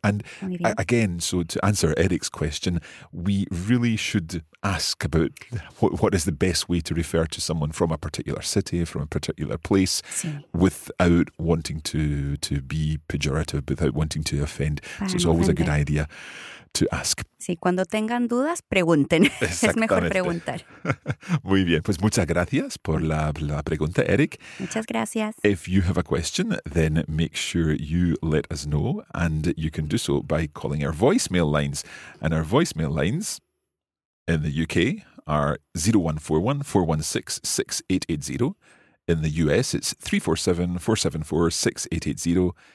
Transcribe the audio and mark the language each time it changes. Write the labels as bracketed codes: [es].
[en] And again, so to answer Eric's question, we really should ask about what is the best way to refer to someone from a particular city, from a particular place, [es] sí, [en] without wanting to be pejorative, without wanting to offend. [es] Para [en] so it's always a good idea to ask. [es] Sí, cuando tengan dudas, pregunten. Es mejor preguntar. Muy bien, pues muchas gracias por la pregunta, Eric. Muchas gracias. [en] If you have a question, then make sure you let us know, and you can do so by calling our voicemail lines. And our voicemail lines in the UK are 0141 416 6880. In the US, it's 347 474 6880.